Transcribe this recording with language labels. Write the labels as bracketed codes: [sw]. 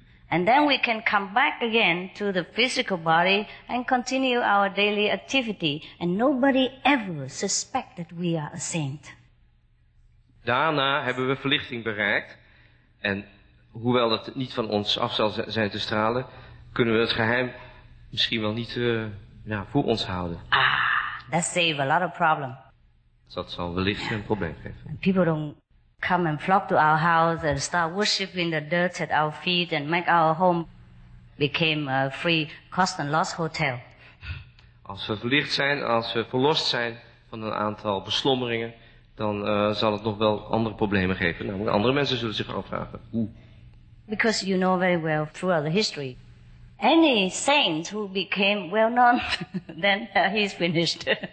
[en] And then we can come back again to the physical body and continue our daily activity. And nobody ever suspects that we are a saint. [nl] Daarna hebben we verlichting bereikt. En hoewel het niet van ons af zal zijn te stralen, kunnen we het geheim misschien wel niet voor ons houden. [en] Ah, that saves a lot of problem. [nl] Dat zal wellicht een probleem geven. [en] And people don't come and flock to our house and start worshiping the dirt at our feet and make our home become a free cost and loss hotel. [nl] Als we verlicht zijn, als we verlost zijn van een aantal beslommeringen, dan zal het nog wel andere problemen geven. Nou, andere mensen zullen zich afvragen hoe. [en] Because you know very well throughout the history, any saint who became well known, then he's finished.